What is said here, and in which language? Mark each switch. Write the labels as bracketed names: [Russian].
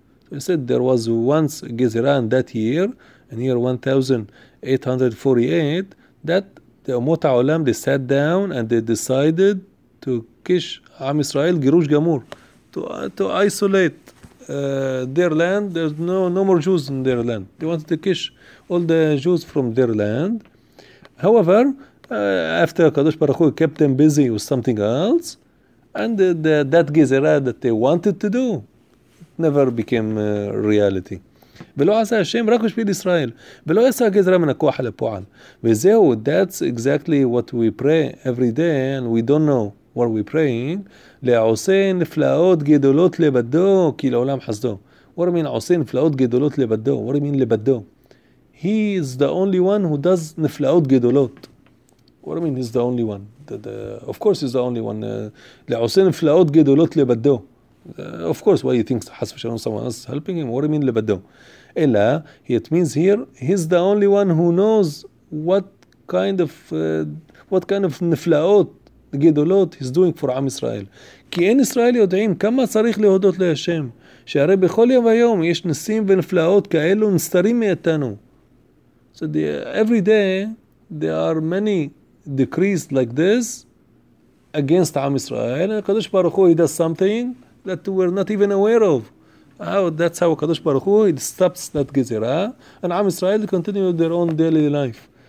[English] He said there was once a גזרה in that year, in year 1848, that the אומות העולם they sat down and they decided to kish עם ישראל גירוש גמור, to isolate their land, there's no more Jews in their land. They wanted to kish all the Jews from their land. However, after Kadosh Baruch Hu kept them busy with something else, and that gezera that they wanted to do never became reality. [Hebrew] ולא עשה השם רק בשביל ישראל, ולא עשה גזרה מן הכוח אל הפועל. [English] וזהו, that's exactly what we pray every day, and we don't know what we praying, [Hebrew] לעושן פלאות גדולות לבדו, כי לעולם חסדו. [English] What do you mean, [Hebrew] עושן פלאות גדולות לבדו? [English] What do you mean, לבדו? He is the only one who does נפלאות גדולות. What do you mean, he's the only one? Of course, he's the only one. [Hebrew] לעושן פלאות גדולות לבדו. [English] Of course, why he thinks חסב שלום, someone else helping him? What do you mean, לבדו? אלא, it means here, he's the only one who knows what kind of נפלאות גדולות he's doing for עם ישראל. [Hebrew] כי אין ישראל יודעים כמה צריך להודות להשם, שהרי בכל יום היום יש ניסים ונפלאות כאלו נסתרים מאיתנו. [English] So every day there are many decrees like this against עם ישראל. הקדוש ברוך הוא, he does something that we're not even aware of. That's how הקדוש ברוך הוא, he stops that גזירה, and עם ישראל continue their own daily life.